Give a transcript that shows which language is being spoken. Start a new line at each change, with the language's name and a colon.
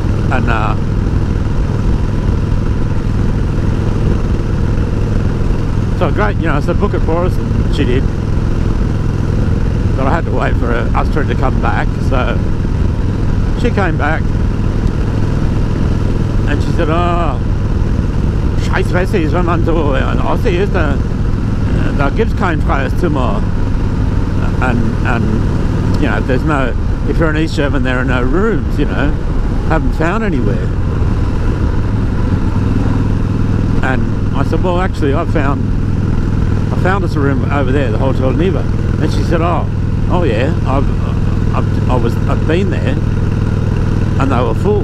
English: And so great, you know, I said, book it for us, and she did. But I had to wait for Astrid to come back, so she came back. And she said, oh,
German: scheiß weiß ich, wenn man so ein Aussie ist, da gibt's kein freies Zimmer.
English: And, you know, there's no, if you're an East German, there are no rooms, you know, haven't found anywhere. And I said, well, actually, I found us a room over there, the Hotel Neva. And she said, oh yeah, I've been there, and they were full.